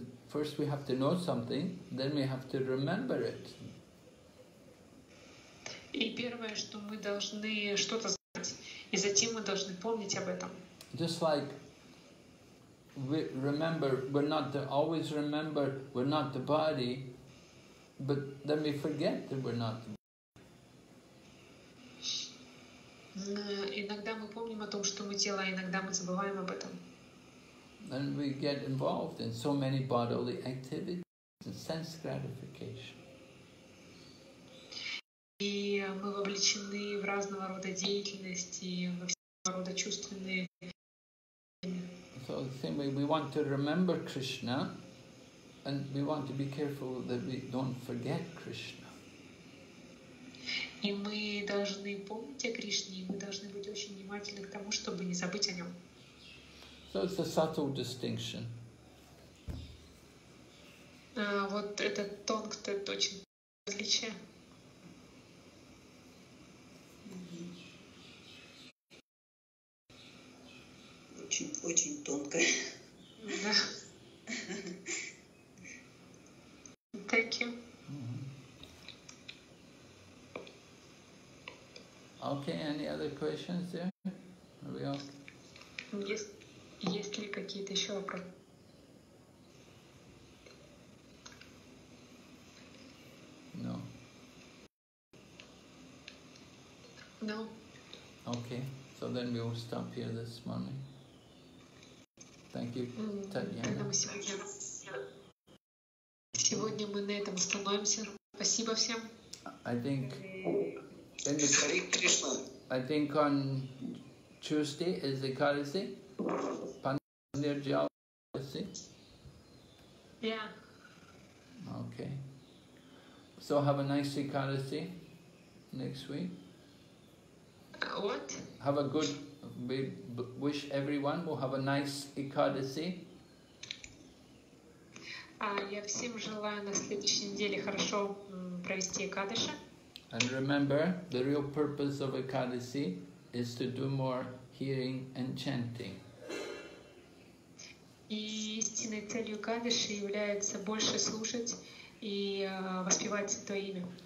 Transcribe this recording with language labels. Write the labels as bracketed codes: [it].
[en] First we have to know something, then we have to remember it. [ru] И первое, что мы должны что-то знать, и затем мы должны помнить об этом. [en] Just like we remember, we're not the, always remember, we're not the body, but then we forget that we're not the body. [ru] Иногда мы помним о том, что мы тело, а иногда мы забываем об этом. [en] And we get involved in so many bodily activities and sense gratification. [ru] И мы вовлечены в разного рода деятельности, во всякого рода чувственные. [en] So the same way, we want to remember Krishna, and we want to be careful that we don't forget Krishna. [ru] И мы должны помнить о Кришне, и мы должны быть очень внимательны к тому, чтобы не забыть о нем. [en] So it's a subtle distinction. [ru] Вот это тонкое, точное различие. Очень тонкая. Да. [en] Thank you. Mm-hmm. Okay, any other questions there? Are we all... [ru] Есть ли какие-то еще вопросы? [en] No. No. Okay, so then we will stop here this morning. Thank you, Татьяна. [ru] Сегодня мы на этом остановимся. Спасибо всем. [en] I think on Tuesday is Ekadasi. Pandir Jyotisi. Yeah. Yeah. Okay. So have a nice Ekadasi next week. What? Have a good, we wish everyone will have a nice Ekadasi. [ru] Я всем желаю на следующей неделе хорошо провести Экадаши. [en] And remember, the real purpose of Ekadasi is to do more hearing and chanting. [ru] И истинной целью Экадаши является больше слушать и воспевать Святое Имя.